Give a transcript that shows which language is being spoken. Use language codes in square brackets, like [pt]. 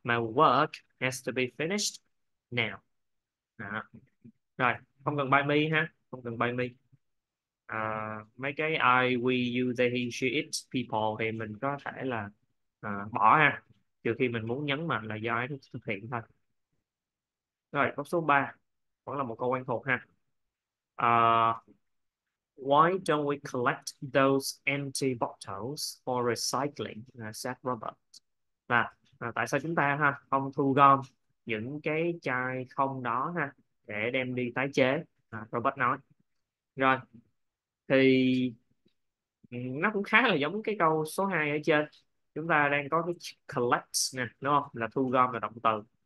[en] My work has to be finished now. [vi] Đó. Rồi. Không cần [en] by me [vi] ha. Không cần by me. Mấy cái I, we, you, they, he, she, it, people thì mình có thể là bỏ ha. Trừ khi mình muốn nhấn mạnh là do ấy thực hiện thôi. Rồi, câu số 3. Vẫn là một câu quen thuộc ha. [en] Why don't we collect those empty bottles for recycling? Said Robert. [vi] Là tại sao chúng ta ha không thu gom những cái chai không đó ha để đem đi tái chế? Robert nói. Rồi, thì nó cũng khá là giống cái câu số 2 ở trên. Chúng ta đang có cái collect nè, đúng không? Là thu gom là động từ.